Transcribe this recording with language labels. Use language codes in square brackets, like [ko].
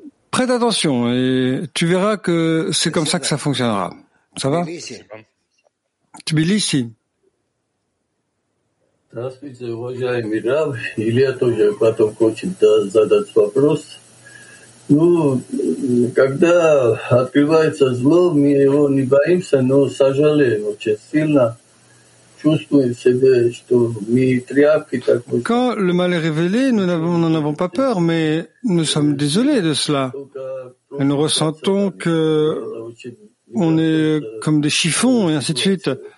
[fr] Prête attention et tu verras que c'est comme ça que ça fonctionnera. Ça va? Tbilissi. [ru] Здравствуйте, уважаемый Мирав. Илья тоже потом хочет задать вопрос. Ну, когда открывается зло, мы его не боимся, но сожалеем очень сильно. [fr] Quand le mal est révélé, nous n'en avons pas peur, mais nous sommes désolés de cela. Et nous ressentons que on est comme des chiffons et ainsi de suite.